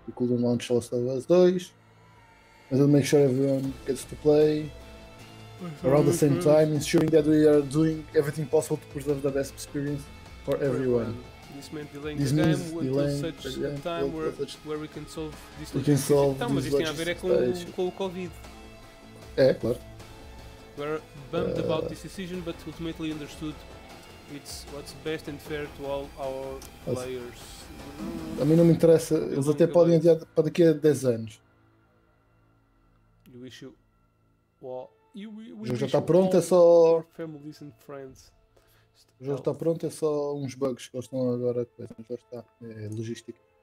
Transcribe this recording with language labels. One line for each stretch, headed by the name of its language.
English: We couldn't launch Last of Us 2, and we'll make sure everyone gets to play around the same time, ensuring that we are doing everything possible to preserve the best experience for everyone. This meant delaying the game until such a time where we can solve this logistics.
Portuguese: Então, mas isto tem a ver com o Covid. É, claro.
English: We're bummed about this decision, but ultimately understood it's what's best and fair to all our players.
Portuguese: A mim não me interessa, eles até podem adiar para daqui a 10 anos.
English: You wish you... Well,
Portuguese: o jogo já está pronto, é só...
English: Families and friends.
Portuguese: O jogo está pronto, é só uns bugs que eles estão agora. É logística.